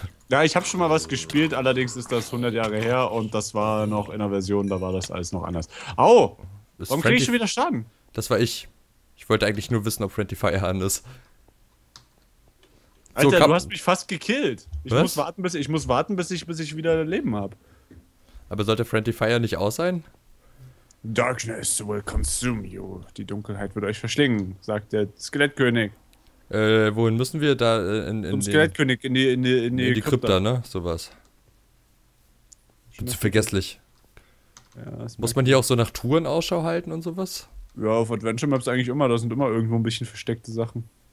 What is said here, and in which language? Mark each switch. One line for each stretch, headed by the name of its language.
German: Ja, ich habe schon mal was gespielt, allerdings ist das 100 Jahre her und das war noch in einer Version, da war das alles noch anders. Au! Warum kriege ich schon wieder Schaden? Das war ich. Ich wollte eigentlich nur wissen, ob Friendly Fire an ist. Alter, du hast mich fast gekillt. Ich muss warten, bis ich wieder Leben habe. Aber sollte Friendly Fire nicht aus sein?
English: Darkness will consume you.
German: Die Dunkelheit wird euch verschlingen, sagt der Skelettkönig. Wohin müssen wir da in zum Skelettkönig, in die Krypta, ne? Sowas. Bin zu vergesslich. Ja, muss man hier auch so nach Touren Ausschau halten und sowas? Ja, auf Adventure Maps eigentlich immer. Da sind immer irgendwo ein bisschen versteckte Sachen.